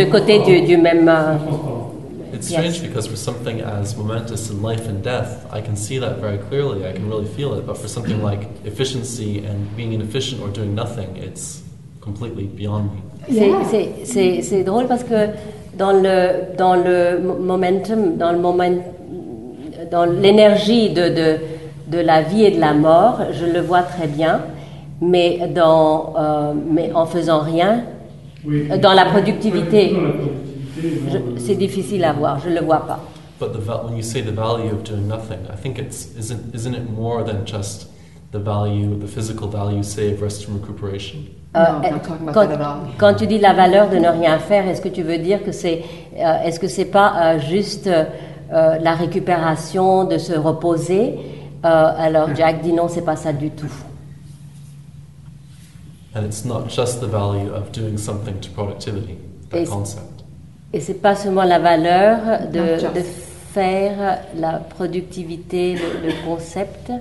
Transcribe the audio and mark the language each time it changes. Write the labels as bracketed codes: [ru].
[en] It's strange because for something as momentous in life and death, I can see that very clearly. I can really feel it. But for something like efficiency and being inefficient or doing nothing, it's completely beyond me. [fr] C'est drôle parce que dans le momentum, dans l'énergie de la vie et de la mort, je le vois très bien. Mais en faisant rien. Oui, dans la productivité, c'est difficile à voir, je ne le vois pas. [en] But when you say the value of doing nothing, I think isn't it more than just the physical value, say, of rest and recuperation? [fr] Quand tu dis la valeur de ne rien faire, est-ce que tu veux dire que est-ce que c'est pas juste la récupération, de se reposer? Alors Jack dit non, c'est pas ça du tout. [en] And it's not just the value of doing something to productivity, that concept. [fr] Et c'est pas seulement la valeur de faire la productivité, le concept.